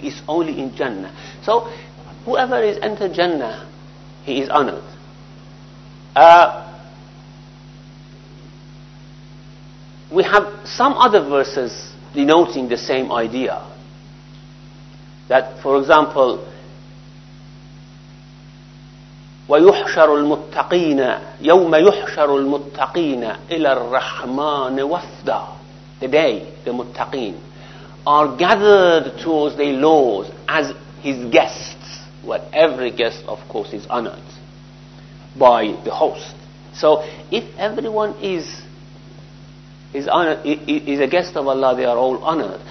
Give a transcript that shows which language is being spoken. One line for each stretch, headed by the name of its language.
English: It's only in Jannah. So whoever is entered Jannah, he is honored. We have some other verses denoting the same idea. That, for example,
Arabic: وَيُحْشَرُ الْمُتَّقِينَ يَوْمَ يُحْشَرُ الْمُتَّقِينَ إِلَى الرَّحْمَانِ وَفْدًا.
English: The day, the muttaqeen, are gathered towards their Lord as his guests. Well, every guest, of course, is honored by the host. So, if everyone is a guest of Allah, they are all honored.